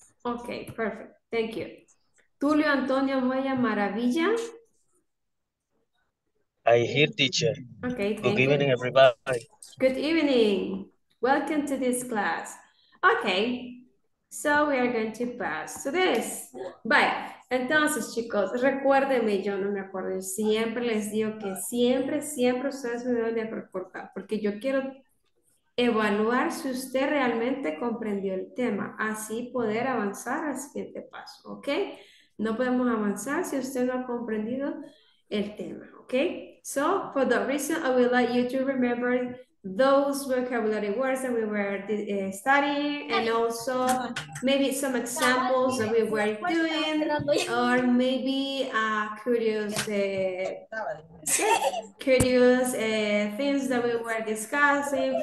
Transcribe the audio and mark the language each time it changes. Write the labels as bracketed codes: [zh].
[en] Okay, perfect. Thank you. Tulio Antonio Moya Maravilla. I hear teacher. Okay, thank you. Good evening, everybody. Good evening. Welcome to this class. Okay. So we are going to pass to this. Bye. [es] Entonces, chicos, recuérdenme, yo no me acuerdo, siempre les digo que siempre, siempre ustedes me deben de reportar, porque yo quiero evaluar si usted realmente comprendió el tema, así poder avanzar al siguiente paso, ¿ok? No podemos avanzar si usted no ha comprendido el tema, ¿ok? [en] So, for that reason, I would like you to remember those vocabulary words that we were studying, and also maybe some examples that we were doing, or maybe a curious things that we were discussing.